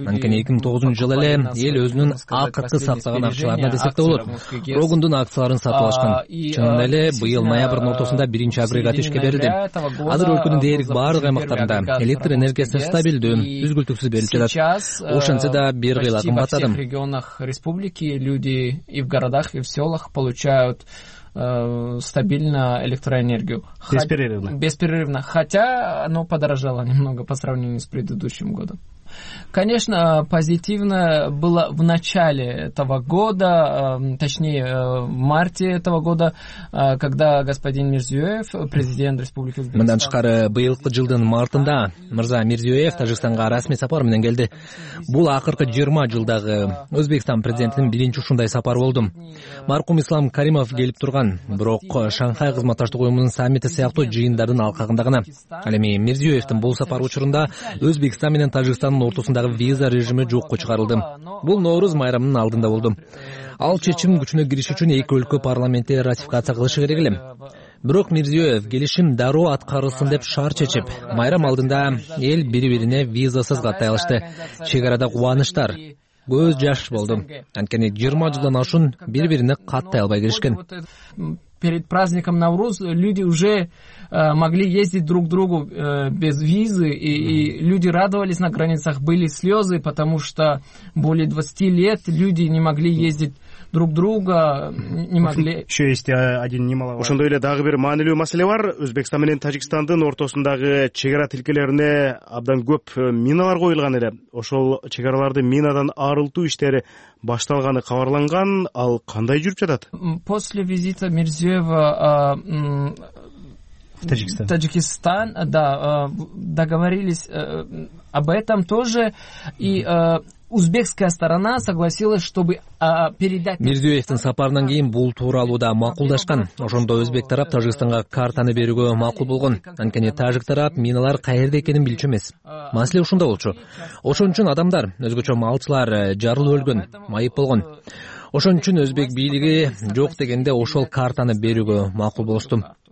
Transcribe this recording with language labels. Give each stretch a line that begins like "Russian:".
Kyrgyz: Анткени 2009 жылы эле эл өзүнүн акыркы сактаган акчаларына десекте болот, рогундун акцияларын сатып алышкан. Чынында эле быйыл ноябрдын ортосунда биринчи агрегат ишке берилди. Азыр өлкөнүн дээрлик баардык аймактарында электр энергиясы стабилдүү, үзгүлтүксүз берилип жатат. Ошентсе да бир кыйла кымбаттады.
Russian: В регионах республики люди и в городах, и в селах получают стабильно электроэнергию. Бесперерывно. Бесперерывно. Хотя оно подорожало немного по сравнению с предыдущим годом. Конечно, позитивно было в начале этого года, точнее, в марте этого года, когда господин Мирзиёев, президент Республики Узбекистан...
Kyrgyz: Мындан тышкары, быйылкы жылдын мартында Мырза Мирзиёев Тажикстанга расмий сапар менен келди. Бул акыркы 20 жылдагы Өзбекстан президентинин биринчи ушундай сапары болду. Маркум Ислам Каримов келип турган, бирок Шанхай кызматташтык уюмунун саммити сыяктуу жыйындардын алкагында гана. Ал эми Мирзиёевдин бул сапары учурунда Өзбекстан менен Тажикстан ортосундагы виза режими жокко чыгарылды. Бул Нооруз майрамынын алдында болду. Ал чечим күчүнө кириш үчүн эки өлкө парламенти ратификация кылышы керек эле. Бирок Мирзиёев келишим дароо аткарылсын деп шаар чечип, майрам алдында эл бири бирине визасыз каттай алышты. Чек арада кубанычтар, көз жаш болду. Анткени 20 жылдан ашуун бири бирине каттай албай келишкен.
Russian: Перед праздником Навруз люди уже могли ездить друг к другу без визы, и люди радовались на границах, были слезы, потому что более 20 лет люди не могли ездить друг друга не могли. Еще есть один немалый.
Kyrgyz: Ошондой эле дагы бир маанилүү маселе бар. Өзбекстан менен Тажикстандын ортосундагы чек ара тилкелерине абдан көп миналар коюлган эле. Ошол чек араларды минадан арылтуу иштери башталганы кабарланган. Ал кандай жүрүп жатат?
Russian: После визита Мирзиёева Таджикистан, да, договорились об этом тоже, и узбекская сторона согласилась, чтобы передать...
Kyrgyz: Мирзиёевдин сапарынан кийин бул тууралуу да макулдашкан. Ошондо өзбек тарап Тажикстанга картаны берүүгө макул болгон. Анткени тажик тарап миналар кайерде экенин билчү эмес. Маселе ушунда болчу. Ошон үчүн адамдар, өзгөчө малчылар жарылып өлгөн, майып болгон. Ошон үчүн өзбек бийлиги жок дегенде ошол картаны берүүгө макул болуштум.